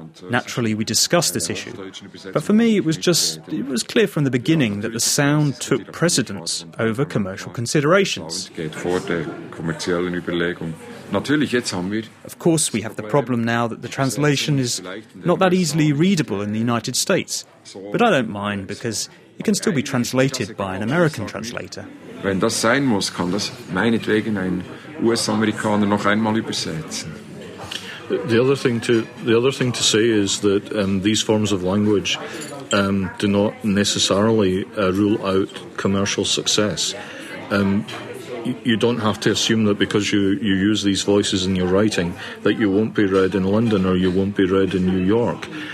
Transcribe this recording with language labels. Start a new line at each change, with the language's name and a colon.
English: Naturally, we discussed this issue, but for me it was clear from the beginning that the sound took precedence over commercial considerations. Of course, we have the problem now that the translation is not that easily readable in the United States, but I don't mind because it can still be translated by an American translator.
German: Wenn das sein muss, kann das meinetwegen ein US-Amerikaner noch einmal übersetzen.
English: The other thing to say is that these forms of language do not necessarily rule out commercial success. You don't have to assume that because you use these voices in your writing that you won't be read in London or you won't be read in New York.